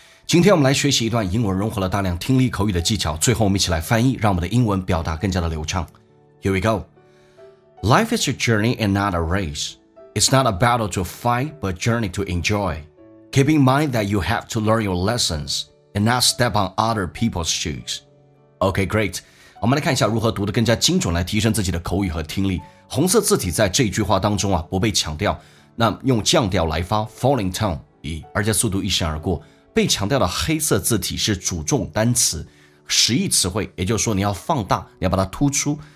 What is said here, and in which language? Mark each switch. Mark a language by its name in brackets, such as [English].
[Chinese] 今天我们来学习一段英文融合了大量听力口语的技巧，最后我们一起来翻译，让我们的英文表达更加的流畅。 [English] Here we go. Life is a journey and not a race. It's not a battle to fight, but a journey to enjoy. Keep in mind that you have to learn your lessons and not step on other people's shoes. Okay, great. [Chinese] 我们来看一下如何读得更加精准，来提升自己的口语和听力。红色字体在这句话当中啊，不被强调，那用降调来发 falling tone， 而且速度一闪而过。被强调的黑色字体是主重单词、实义词汇，也就是说你要放大，你要把它突出。